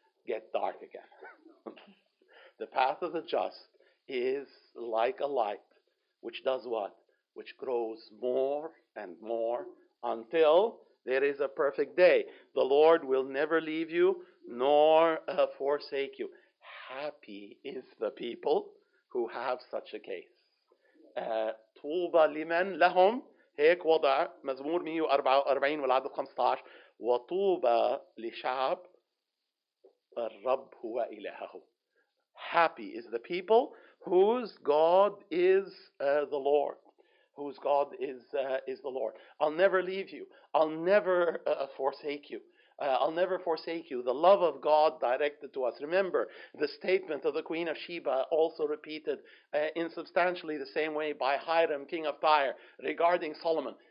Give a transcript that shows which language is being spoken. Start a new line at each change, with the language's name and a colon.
English: Get dark again. The path of the just is like a light which does what? Which grows more and more until there is a perfect day. The Lord will never leave you nor forsake you. Happy is the people who have such a case.
Arabic: طوبى لمن لهم هيك وضع مزمور 144 والعدد 15 وطوبى لشعب الرب هو إلهه.
English: Happy is the people whose God is the Lord. Whose God is the Lord. I'll never leave you. I'll never forsake you. I'll never forsake you. The love of God directed to us. Remember the statement of the Queen of Sheba, also repeated in substantially the same way by Hiram, King of Tyre, regarding Solomon.